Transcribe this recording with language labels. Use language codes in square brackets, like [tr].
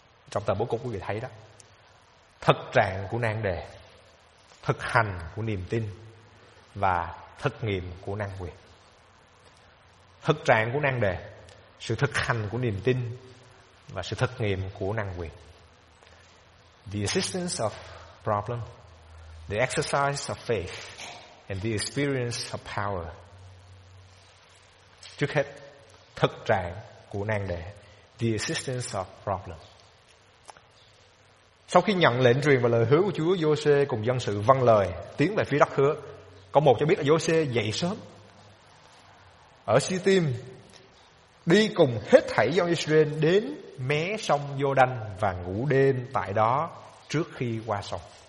[vi] Trong tờ bố cục quý vị thấy đó, thực trạng của nan đề, thực hành của niềm tin và thực nghiệm của năng quyền. Thực trạng của nan đề, sự thực hành của niềm tin và sự thực nghiệm của năng quyền. [en] The existence of problem, the exercise of faith and the experience of power. [vi] Trước hết, thực trạng của nan đề, [en] the existence of problem. [vi] Sau khi nhận lệnh truyền và lời hứa của Chúa, Giô-sê cùng dân sự vâng lời tiến về phía đất hứa. Câu 1 cho biết là Giô-sê dậy sớm ở Si-tim, đi cùng hết thảy dân Israel đến mé sông Giô-đanh và ngủ đêm tại đó trước khi qua sông.